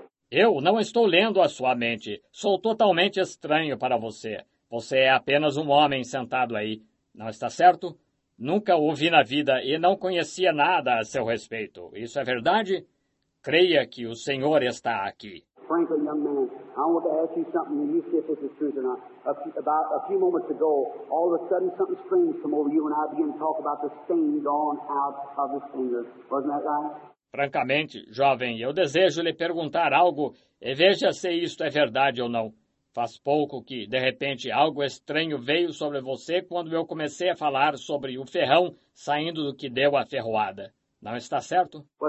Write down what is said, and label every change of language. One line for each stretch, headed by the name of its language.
Portuguese: Eu não estou lendo a sua mente. Sou totalmente estranho para você. Você é apenas um homem sentado aí. Não está certo? Nunca o vi na vida e não conhecia nada a seu respeito. Isso é verdade? Creia que o Senhor está aqui.
English: Franklin, young man, I want to ask you something, and you see if this is true or not. About a few moments ago, all of a sudden, something strange came over you, and I began to talk about the stain gone out of his fingers. Wasn't that right?
Portuguese: Francamente, jovem, eu desejo lhe perguntar algo e veja se isto é verdade ou não. Faz pouco que, de repente, algo estranho veio sobre você quando eu comecei a falar sobre o ferrão saindo do que deu a ferroada. Não está certo?